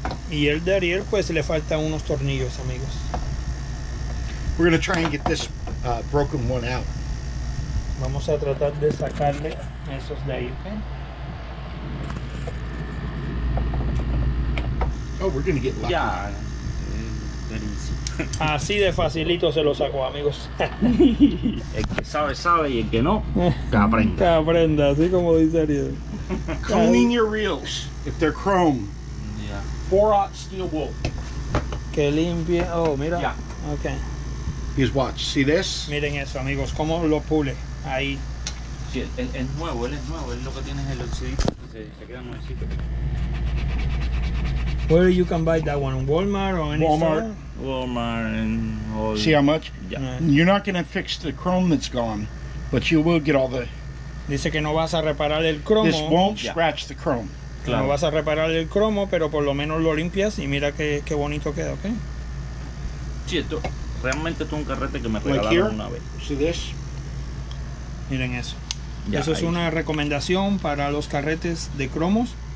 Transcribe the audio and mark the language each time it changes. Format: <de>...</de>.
<es>Y el de Ariel, pues le falta unos tornillos, amigos.</es> <en>We're gonna try and get this broken one out.</en> <es>Vamos a tratar de sacarle esos de ahí, okay?</es> <en>Oh, we're gonna get lucky. Yeah, very easy.</en> <es>Así de facilito se lo sacó, amigos. El que sabe, sabe, y el que no, que aprenda. Que aprenda, así como dice Ariel.</es> <en>Cleaning your reels, if they're chrome. Yeah. 4-0 steel wool.</en> <es>Que limpie, oh, mira.</es> <en>Yeah. Okay. His watch, see this?</en> <es>Miren eso, amigos, como lo pule, ahí. Sí, es nuevo, él es nuevo, él lo que tiene es el oxidito. Se queda nuevecito.</es> <en>Where you can buy that one? Walmart or any Walmart. Store? Walmart and all. See how much? Yeah. You're not going to fix the chrome that's gone, but you will get all the...</en> <es>Dice que no vas a reparar el cromo.</es> <en>This won't scratch the chrome.</en> <es>Claro. No vas a reparar el cromo, pero por lo menos lo limpias y mira qué bonito queda, ¿ok? Sí, esto realmente es un carrete que me regalaron</es> <en>like</en> <es>una vez.</es> <en>See this?</en> <es>Miren eso. Yeah, eso es una recomendación para los carretes de cromos.</es>